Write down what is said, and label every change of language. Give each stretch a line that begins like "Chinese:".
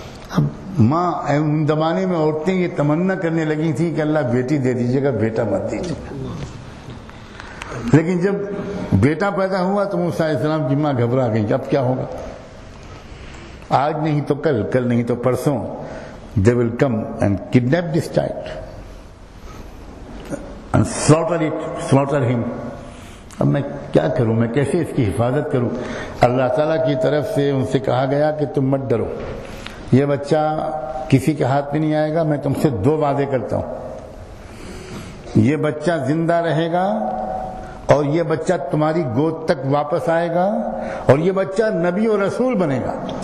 Urdu: اب ماں ان زمانے میں عورتیں یہ تمنا کرنے لگی تھیں کہ اللہ بیٹی دے دیجیے گا, بیٹا مت دیجیے گا. لیکن جب بیٹا پیدا ہوا تو موسیٰ علیہ السلام کی ماں گھبرا گئی کہ اب کیا ہوگا, آج نہیں تو کل, کل نہیں تو پرسوں,
English: they will come and kidnap this child and slaughter him.
Urdu: اب میں کیا کروں, میں کیسے اس کی حفاظت کروں؟ اللہ تعالیٰ کی طرف سے ان سے کہا گیا کہ تم مت ڈرو, یہ بچہ کسی کے ہاتھ میں نہیں آئے گا. میں تم سے دو وعدے کرتا ہوں, یہ بچہ زندہ رہے گا اور یہ بچہ تمہاری گود تک واپس آئے گا اور یہ بچہ نبی اور رسول بنے گا.